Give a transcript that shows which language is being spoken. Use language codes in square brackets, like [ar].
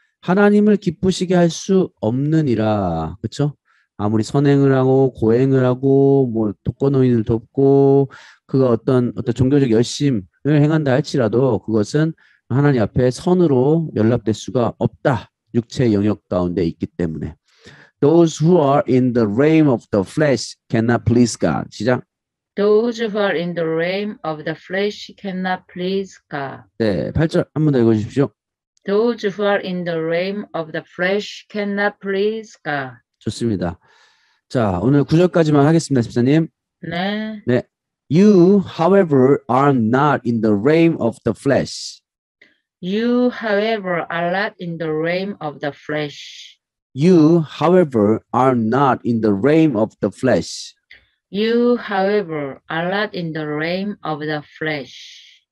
[ko] 하나님을 기쁘시게 할 수 없느니라. 그렇죠? 아무리 선행을 하고 고행을 하고 뭐 독거노인을 돕고 그가 어떤 종교적 열심을 행한다 할지라도 그것은 하나님 앞에 선으로 연락될 수가 없다. 육체 영역 가운데 있기 때문에. [en] Those who are in the realm of the flesh cannot please God. [ko] 시작. [en] Those who are in the realm of the flesh cannot please God. [ko] 네, 8절 한 번 더 읽어주십시오. [en] Those who are in the realm of the flesh cannot please God. [ko] 좋습니다. 자, 오늘 9절까지만 하겠습니다, 집사님. 네. 네. [en] You, however, are not in the realm of the flesh. You, however, are not in the realm of the flesh. You, however, are not in the realm of the flesh. You, however, are not in the realm of the flesh.